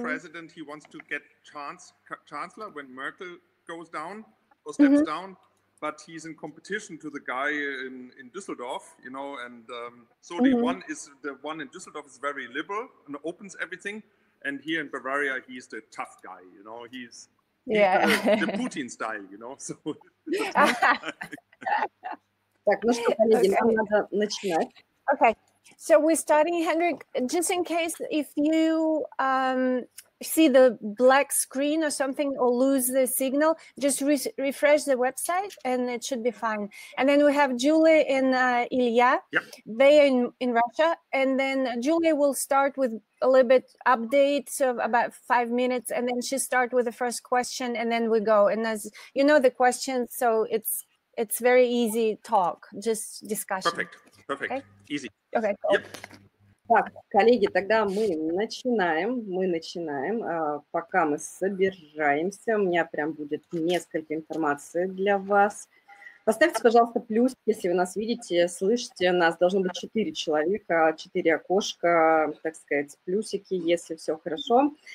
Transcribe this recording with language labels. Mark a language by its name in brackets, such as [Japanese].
[English] president, he wants to get chancellor when Merkel goes down or steps mm-hmm. down. But he's in competition to the guy in Düsseldorf, you know, and so mm-hmm. the one in Düsseldorf is very liberal and opens everything. And here in Bavaria, he's the tough guy, you know, he's yeah. the Putin style, you know. So. [Russian] Так, ну что, коллеги, нам надо начинать. [English] Okay, so we're starting, Henrik, just in case if you... see the black screen or something or lose the signal, just refresh the website and it should be fine. And then we have Julie and Ilya. Yep. They are in Russia. And then Julie will start with a little bit update of about 5 minutes, and then she start with the first question and then we go. And as you know the question, so it's very easy talk, just discussion. Perfect. Okay? Easy. Okay, cool. Yep. [Russian] Так, коллеги, тогда мы начинаем, пока мы собираемся, у меня прям будет несколько информации для вас. Поставьте, пожалуйста, плюс, если вы нас видите, слышите, нас должно быть 4 человека, 4 окошка, так сказать, плюсики, если все хорошо.